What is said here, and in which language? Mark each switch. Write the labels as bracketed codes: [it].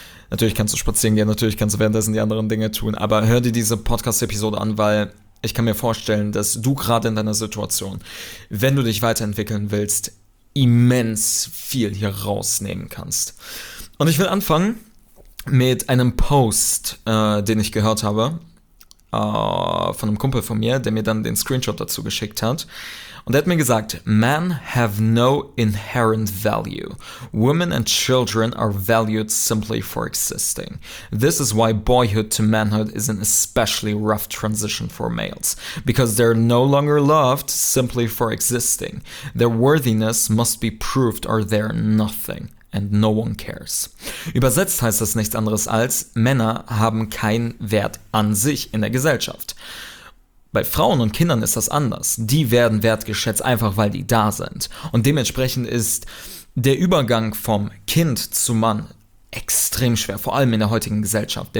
[de] Natürlich kannst du spazieren gehen, natürlich kannst du währenddessen die anderen Dinge tun, aber hör dir diese Podcast-Episode an, weil ich kann mir vorstellen, dass du gerade in deiner Situation, wenn du dich weiterentwickeln willst, immens viel hier rausnehmen kannst. Und ich will anfangen mit einem Post, den ich gehört habe, von einem Kumpel von mir, der mir dann den Screenshot dazu geschickt hat. Und er hat mir gesagt, [en] "Men have no inherent value. Women and children are valued simply for existing. This is why boyhood to manhood is an especially rough transition for males. Because they're no longer loved simply for existing. Their worthiness must be proved or they're nothing. And no one cares." [de] Übersetzt heißt das nichts anderes als, Männer haben keinen Wert an sich in der Gesellschaft. Bei Frauen und Kindern ist das anders. Die werden wertgeschätzt, einfach weil die da sind. Und dementsprechend ist der Übergang vom Kind zu Mann extrem schwer, vor allem in der heutigen Gesellschaft.